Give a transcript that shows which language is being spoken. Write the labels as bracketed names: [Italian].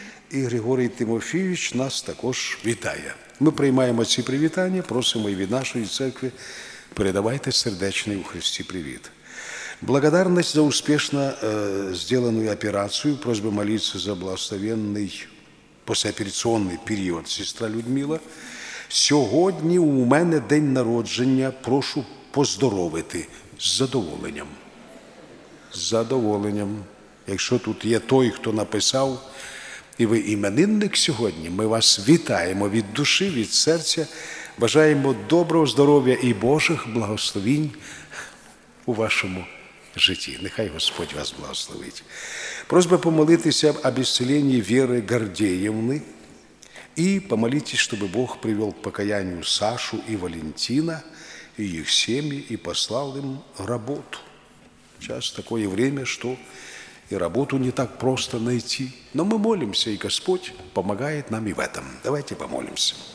[Ukrainian] І Григорій Тимофійович нас також вітає. Ми приймаємо ці привітання, просимо і від нашої церкви передавайте сердечний у Христі привіт. [Russian] Благодарность за успешно сделанную операцию. Просьба молиться за благословенный послеоперационный период. [Ukrainian] Сестра Людмила, сьогодні у мене день народження. Прошу поздоровити з задоволенням. З задоволенням. Якщо тут є той, хто написав, і ви іменинник сьогодні, ми вас вітаємо від душі, від серця. Бажаємо доброго здоров'я і Божих благословінь у вашому житті. Нехай Господь вас благословить. [Russian] Просьба помолитися об исцелении Веры Гордеевны. И помолитесь, чтобы Бог привел к покаянию Сашу и Валентина, и их семьи, и послал им работу. Сейчас такое время, что и работу не так просто найти. Но мы молимся, и Господь помогает нам и в этом. Давайте помолимся.